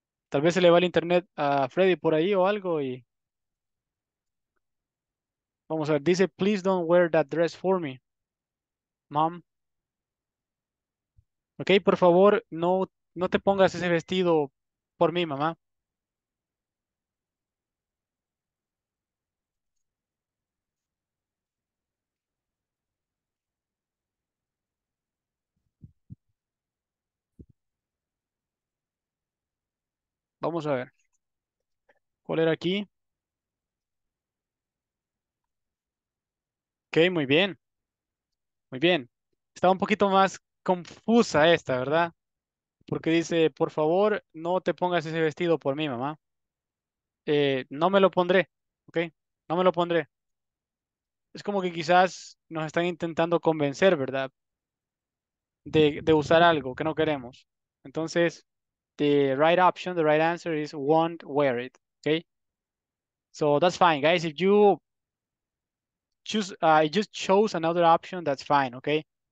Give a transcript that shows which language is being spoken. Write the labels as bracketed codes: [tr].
[es] Tal vez se le va el internet a Freddy por ahí o algo y... Vamos a ver. Dice, [en] please don't wear that dress for me. Mom. [es] Ok, por favor, no te pongas ese vestido por mí, mamá. Vamos a ver. ¿Cuál era aquí? Ok, muy bien. Muy bien. Estaba un poquito más confusa esta, ¿verdad? Porque dice, por favor, no te pongas ese vestido por mí, mamá. No me lo pondré. Ok, no me lo pondré. Es como que quizás nos están intentando convencer, ¿verdad? De usar algo que no queremos. Entonces... [en] The right option, the right answer is won't wear it, okay? So that's fine, guys. If you choose, just chose another option, that's fine, okay?